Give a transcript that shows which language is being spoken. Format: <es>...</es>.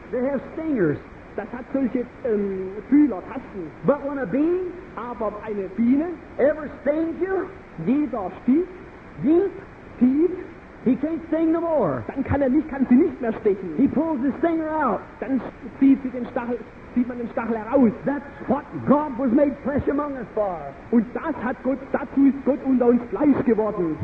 <en>They have stingers.</en> <de>Das hat solche Fühler, Tasten.</de> <en>But when a bee,</en> <de>aber eine Biene,</de> <en>ever stings you,</en> <de>jeder stich,</de> <en>deep,</en> <de>tief,</de> <en>he can't sting no more.</en> <de>Dann kann er nicht, kann sie nicht mehr stechen.</de> <en>He pulls the stinger out.</en> <de>Dann zieht sie den Stachel. Sieht man den Stachel heraus.</de> <en>That's what God was made flesh among us for.</en> <de>Und das hat Gott, dazu ist Gott unter uns Fleisch geworden.</de>